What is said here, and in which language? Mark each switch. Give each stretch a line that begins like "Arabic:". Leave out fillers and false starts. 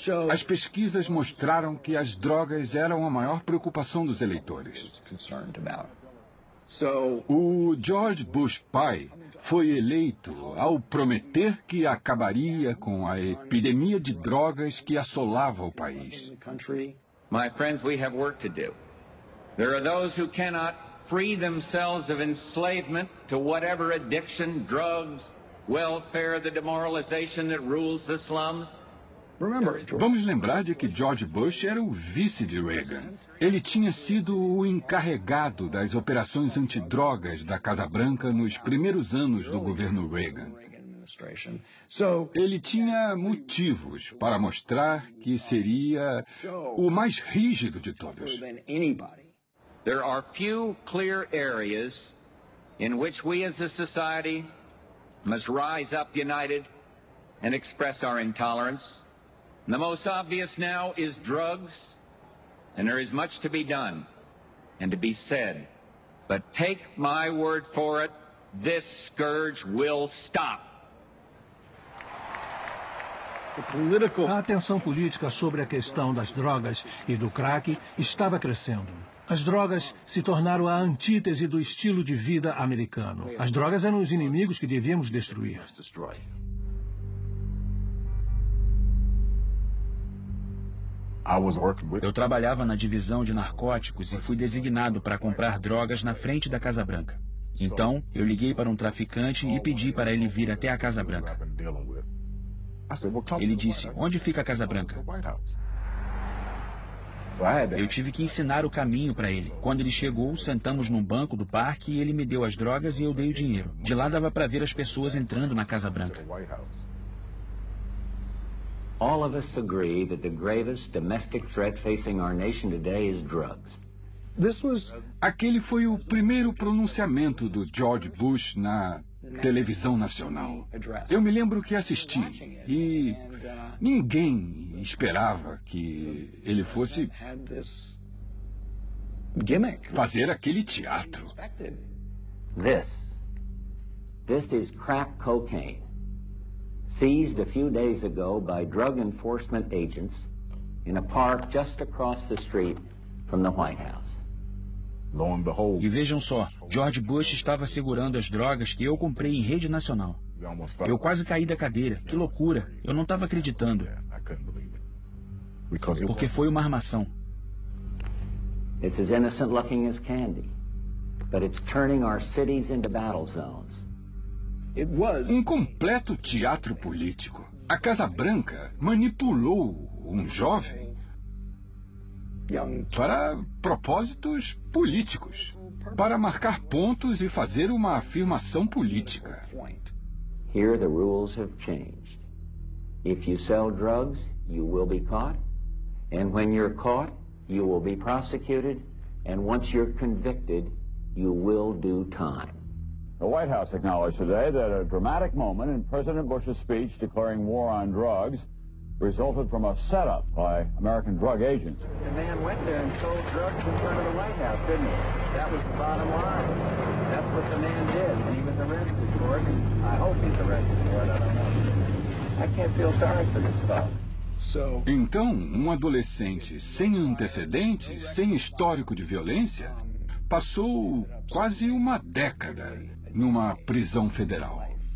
Portuguese: As pesquisas mostraram que as drogas eram a maior preocupação dos eleitores. O George Bush pai foi eleito ao prometer que acabaria com a epidemia de drogas que assolava o país.
English: My friends, we have work to do. There are those who cannot free themselves of enslavement to whatever addiction, drugs, welfare, the demoralization that rules the slums.
Portuguese: Vamos lembrar de que George Bush era o vice de Reagan. Ele tinha sido o encarregado das operações antidrogas da Casa Branca nos primeiros anos do governo Reagan. Ele tinha motivos para mostrar que seria o mais rígido de todos.
English: There are few clear areas in which we as a society must rise up united and express our intolerance. The most obvious now is drugs, and there is much to be done and to be said. But take my word for it, this scourge will stop.
Portuguese: A atenção política sobre a questão das drogas e do crack estava crescendo. As drogas se tornaram a antítese do estilo de vida americano. As drogas eram os inimigos que devíamos destruir. Eu trabalhava na divisão de narcóticos e fui designado para comprar drogas na frente da Casa Branca. Então, eu liguei para um traficante e pedi para ele vir até a Casa Branca. Ele disse, onde fica a Casa Branca? Eu tive que ensinar o caminho para ele. Quando ele chegou, sentamos num banco do parque e ele me deu as drogas e eu dei o dinheiro. De lá dava para ver as pessoas entrando na Casa Branca.
English: All of us agree that the gravest domestic threat facing our nation today is drugs.
Portuguese: Aquele foi o primeiro pronunciamento do George Bush na televisão nacional. Eu me lembro que assisti e ninguém esperava que ele fosse fazer aquele teatro.
English: This is crack cocaine. Seized a few days ago by drug enforcement agents in a park just across the street from the White House. Lo and behold.
Portuguese: E vejam só, George Bush estava segurando as drogas que eu comprei em rede nacional. Eu quase caí da cadeira. Que loucura. Eu não estava acreditando. Porque foi uma armação.
English: It's as innocent looking as candy, but it's turning our cities into battle zones.
Portuguese: um completo teatro político. A Casa Branca manipulou um jovem para propósitos políticos, para marcar pontos e fazer uma afirmação política.
English: Here the rules have changed. If you sell drugs, you will be caught. And when you're caught, you will be prosecuted. And once you're convicted, you will do time. The White House acknowledged today that a dramatic moment in President Bush's speech declaring war on drugs resulted from a setup by American drug agents. The man went there and sold drugs in front of the White House, didn't he? That was the bottom line. That's what the man did, and he was arrested for it. And I hope he's arrested for it, I don't know. I can't feel sorry for this fellow.
Portuguese: Então, um adolescente sem antecedentes, sem histórico de violência, passou quase uma década numa prisão federal.